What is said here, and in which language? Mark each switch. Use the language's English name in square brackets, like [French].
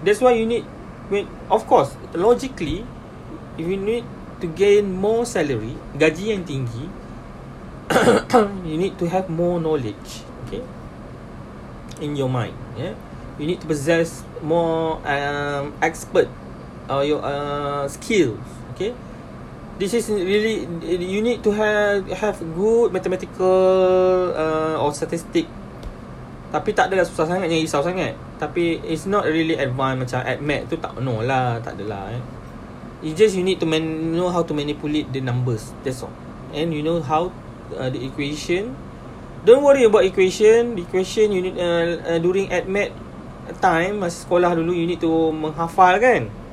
[English] That's why you need, when, of course, logically, if you need to gain more salary, [Malay] gaji yang tinggi, [English] you need to have more knowledge, okay, in your mind. Yeah, you need to possess more expert or your skills. Okay, this is really, you need to have good mathematical or statistic. [Malay] Tapi tak adalah susah sangat, jangan risau sangat. Tapi [English] it's not really advanced [Malay] macam at math tu, tak, no lah, tak adalah eh. [English] It's just you need to know how to manipulate the numbers, that's all. And you know how the equation. Don't worry about equation. The equation you need during at math time, [Malay] masa sekolah dulu, [English] you need to [Malay] menghafal kan.